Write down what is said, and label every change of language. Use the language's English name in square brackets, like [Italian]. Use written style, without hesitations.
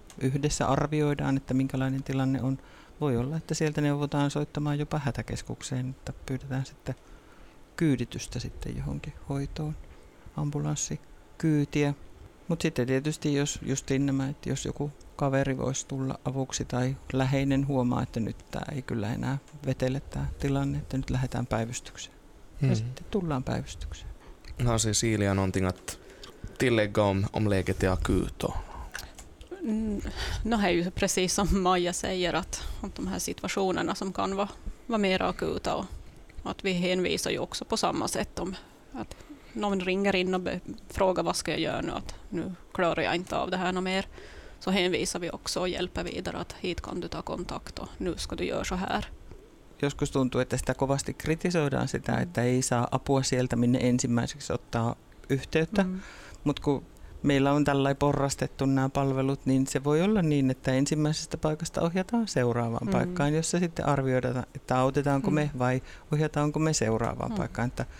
[Finnish] Yhdessä arvioidaan, että minkälainen tilanne on. Voi olla, että sieltä neuvotaan soittamaan jopa hätäkeskukseen, että pyydetään sitten kyyditystä sitten johonkin hoitoon, ambulanssikyytiä. Mutta sitten tietysti, jos justiin nämä, että jos joku kaveri voisi tulla avuksi tai läheinen huomaa, että nyt tämä ei kyllä enää vetele tämä tilanne, että nyt lähdetään päivystykseen. Ja sitten tullaan päivystykseen. No se Siilia Nontingat. [Swedish] Tillägga om läget är akut då? Det är ju precis som Maija säger, att de här situationerna som kan vara mer akuta, och att vi hänvisar ju också på samma sätt om att någon ringer in och frågar vad ska jag göra nu, att nu klarar jag inte av det här mer, så hänvisar vi också och hjälper vidare att hit kan du ta kontakt och nu ska du göra så här. [Finnish] Joskus tuntuu, että sitä kovasti kritisoidaan sitä, että ei saa apua sieltä, minne ensimmäiseksi ottaa yhteyttä. Mutta kun meillä on tällä porrastettu nämä palvelut, niin se voi olla niin, että ensimmäisestä paikasta ohjataan seuraavaan paikkaan, jossa sitten arvioidaan, että autetaanko me vai ohjataanko me seuraavaan paikkaan.